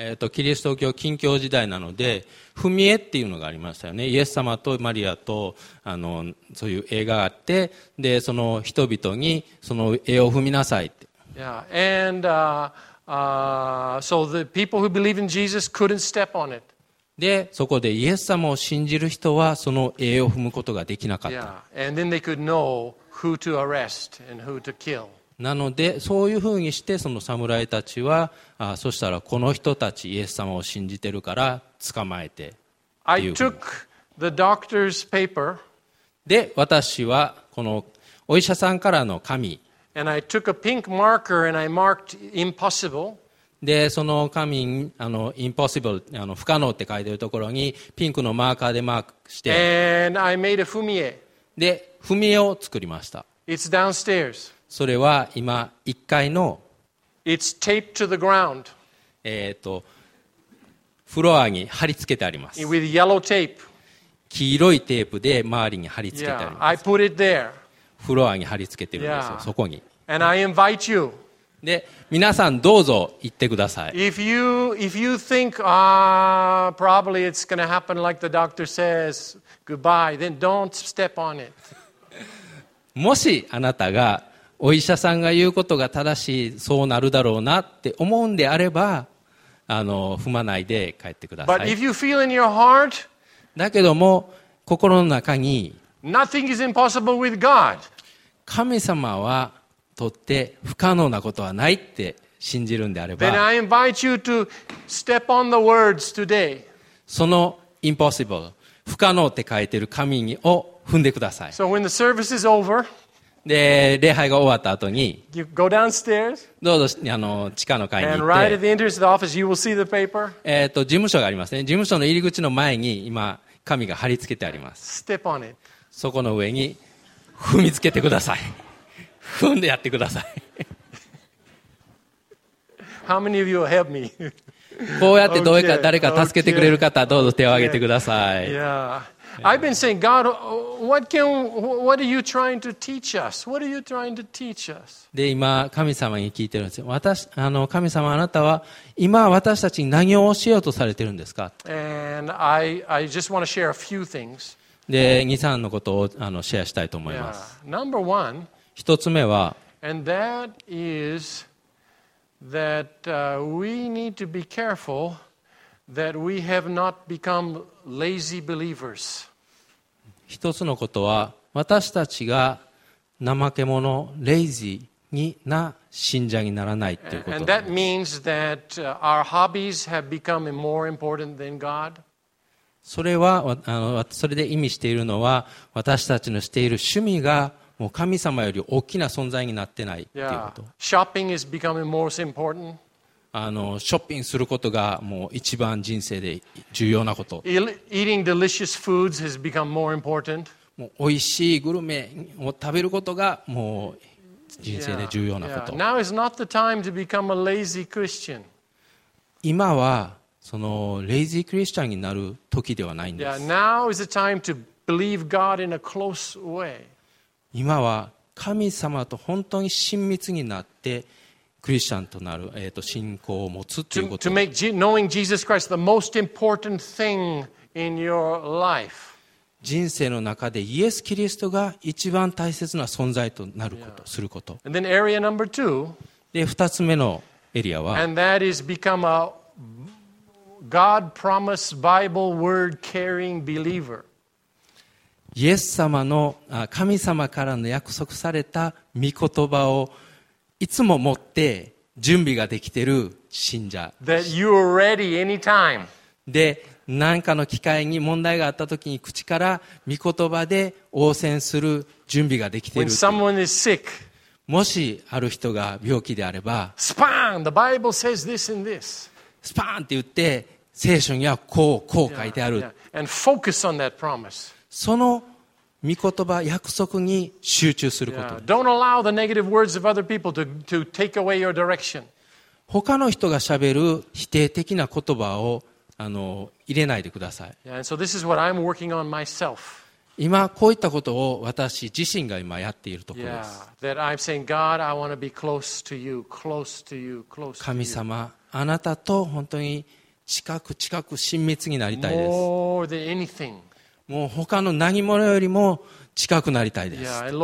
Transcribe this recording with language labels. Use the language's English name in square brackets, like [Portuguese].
[Japanese] キリスト教禁教時代なので踏み絵っていうのがありましたよね。イエス様とマリアとそういう絵があって、でその人々にその絵を踏みなさいって。 [English] Yeah, and so the people who believe in Jesus couldn't step on it. [Japanese] で、そこでイエス様を信じる人はその絵を踏むことができなかった。 [English] Yeah, and then they could know who to arrest and who to kill. [Japanese] なので、そういうふうにしてその侍たちは、そしたらこの人たちイエス様を信じてるから捕まえてっていう。 [English] I took the doctor's paper. [Japanese] で、私はこのお医者さんからの紙。 [English] And I took a pink marker and I marked impossible. [Japanese] で、その紙に impossible 不可能って書いてるところにピンクのマーカーでマークして。 [English] And I made a 踏み絵。 [Japanese] で、踏み絵を作りました。 [English] It's downstairs. [Japanese] それは今1階の。 [English] It's taped to the ground. [Japanese] フロアに貼り付けてあります。 [English] With yellow tape. [Japanese] 黄色いテープで周りに貼り付けてあります。 [English] Yeah, I put it there. [Japanese] フロアに貼り付けてるんですよ、そこに。 [English] And I invite you. [Japanese] で、皆さんどうぞ行ってください。 [English] If you think, probably it's going to happen like the doctor says, goodbye, then don't step on it. [Japanese] もしあなたがお医者さんが言うことが正しい、そうなるだろうなって思うんであれば、踏まないで帰ってください。 [English] But if you feel in your heart, [Japanese] だけども心の中に [English] Nothing is impossible with God. [Japanese] 神様はとって不可能なことはないって信じるんであれば [English] Then I invite you to step on the words today. [Japanese] その impossible 不可能って書いてる神を踏んでください。 [English] So when the service is over, [Japanese] で礼拝が終わった後に [English] you go downstairs, [Japanese] どうぞ地下の階に行って事務所がありますね。事務所の入り口の前に今紙が貼り付けてあります。 [English] Step on it. [Japanese] そこの上に踏みつけてください。踏んでやってください。 [English] How many of you will help me? [Japanese] こうやってどうやか誰か助けてくれる方、どうぞ手を挙げてください。 yeah. [English] I've been saying, God, what are you trying to teach us? What are you trying to teach us? [Japanese] で、今神様に聞いてるんですよ。私、神様、あなたは今私たちに何を教えようとされてるんですか？ [English] And I just want to share a few things. [Japanese] で、2、3のことをシェアしたいと思います。 [English] Yeah. Number one. [Japanese] 一つ目は。 [English] And that is that we need to be careful. That we have not become lazy believers. [Japanese] 一つのことは私たちが怠け者、レイジーにな信者にならないということです。 [English] And that means that our hobbies have become more important than God. [Japanese] それはそれで意味しているのは私たちのしている趣味がもう神様より大きな存在になってないということ。 [English] Yeah. Shopping is becoming more important. [Japanese] ショッピングすることがもう一番人生で重要なこと。 [English] Eating delicious foods has become more important. [Japanese] もう美味しいグルメを食べることがもう人生で重要なこと。 [English] Yeah, yeah. Now is not the time to become a lazy Christian. [Japanese] 今はそのレイジークリスチャンになる時ではないんです。 [English] Yeah, now is the time to believe God in a close way. [Japanese] 今は神様と本当に親密になってクリスチャンとなる、信仰を持つということ。 [English] To make knowing Jesus Christ the most important thing in your life. [Japanese] 人生の中でイエス・キリストが一番大切な存在となること、yeah. すること。 [English] And then area number two. [Japanese] で、二つ目のエリアは。 [English] And that is become a God promised Bible word carrying believer. [Japanese] イエス様の、神様からの約束された御言葉をいつも持って準備ができている信者。 [English] That you are ready anytime. [Japanese] で、何かの機会に問題があったときに口から御言葉で応戦する準備ができている。 [English] When someone is sick. [Japanese] もしある人が病気であれば、 [English] スパーン The Bible says this and this. [Japanese] スパーンって言って、聖書にはこう、こう書いてある。 [English] Yeah, yeah. And focus on that promise. [Japanese] その御言葉約束に集中すること。 [English] Don't allow the negative words of other people to take away your direction. [Japanese] 他の人が喋る否定的な言葉を入れないでください。 [English] Yeah, and so this is what I'm working on myself. [Japanese] 今こういったことを私自身が今やっているところです。 [English] Yeah, that I'm saying, God, I want to be close to you, close to you, close to you. [Japanese] 神様、あなたと本当に近く親密になりたいです。 [English] More than anything. [Japanese] もう他の何者よりも近くなりたいです。